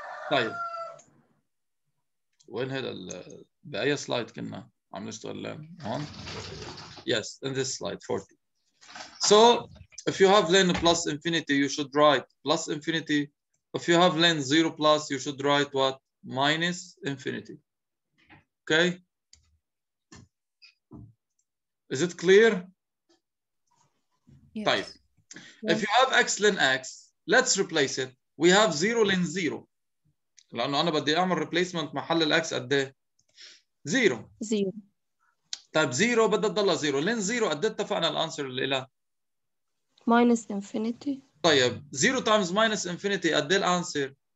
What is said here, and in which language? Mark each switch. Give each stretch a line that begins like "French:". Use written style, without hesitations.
Arabic: طيب وين هذا باي سلايد كنا عم نشتغل هون يس ان ذيس سلايد 40 So, if you have ln plus infinity, you should write plus infinity.
English: If you have ln 0 plus, you should write what? Minus infinity. Okay? Is it clear? Yes. Type. If you have x ln x, let's replace it. We have 0 ln 0.
Arabic: لأنه أنا بدي أعمل replacement محل الـ x قد إيه؟ 0. 0. طيب 0 بدها تضلها 0 لين 0 قد ايه اتفقنا الانسر اللي لها؟
English: minus infinity
Arabic: طيب 0 تايمز ماينس انفينيتي قد ايه الانسر؟